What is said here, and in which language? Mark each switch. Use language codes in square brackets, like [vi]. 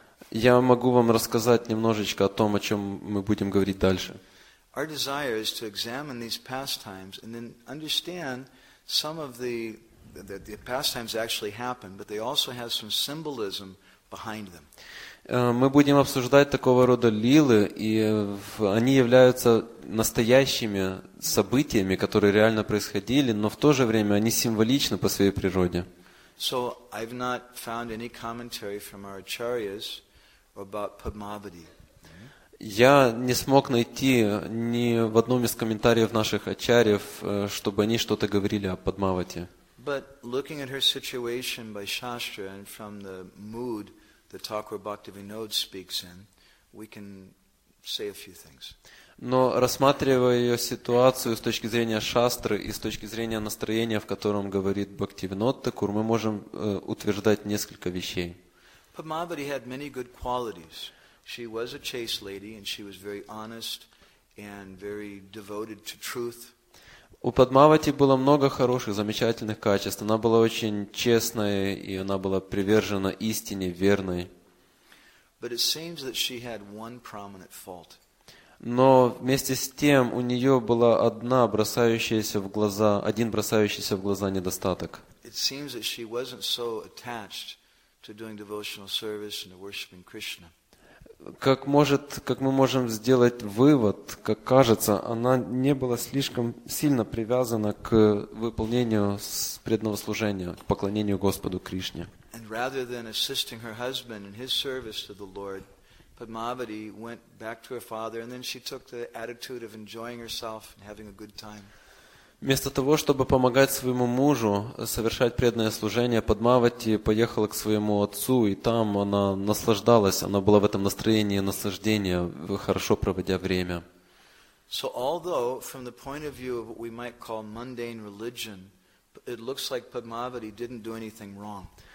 [ru] Я могу вам рассказать немножечко о том, о чем мы будем говорить дальше. [en] Our desire is to examine these pastimes and then understand some of the pastimes actually happen, but they also have some symbolism behind them. [ru] Мы будем обсуждать такого рода лилы, и они являются настоящими событиями, которые реально происходили, но в то же время они символичны по своей природе. [en] So I've not found any commentary from our acharyas about Padmavati. [ru] Я не смог найти ни в одном из комментариев наших ачарьев, чтобы они что-то говорили о Падмавате. [en] But looking at her situation by Shastra and from the mood the Thakura Bhaktivinoda speaks in, we can say a few things. [ru] Но рассматривая ее ситуацию с точки зрения Шастры и с точки зрения настроения, в котором говорит Бхактивинода Такур, мы можем утверждать несколько вещей. [en] Padmavati had many good qualities. She was a chaste lady, and she was very honest and very devoted to truth. [ru] У Падмавати было много хороших, замечательных качеств. Она была очень честной, и она была привержена истине, верной. [en] But it seems that she had one prominent fault. [ru] Но вместе с тем у нее была одна бросающаяся в глаза, один бросающийся в глаза недостаток. [en] It seems that she wasn't so attached to doing devotional service and to worshiping Krishna. [ru] Как мы можем сделать вывод, как кажется, она не была слишком сильно привязана к выполнению преданного служения, к поклонению Господу Кришне. [en] And rather than assisting her husband in his service to the Lord, Padmavati went back to her father, and then she took the attitude of enjoying herself and having a good time. [ru] Вместо того, чтобы помогать своему мужу совершать преданное служение, Падмавати поехала к своему отцу, и там она наслаждалась, она была в этом настроении наслаждения, хорошо проводя время. [en] So although from the point of view of what we might call mundane religion, it looks like Padmavati didn't do anything wrong.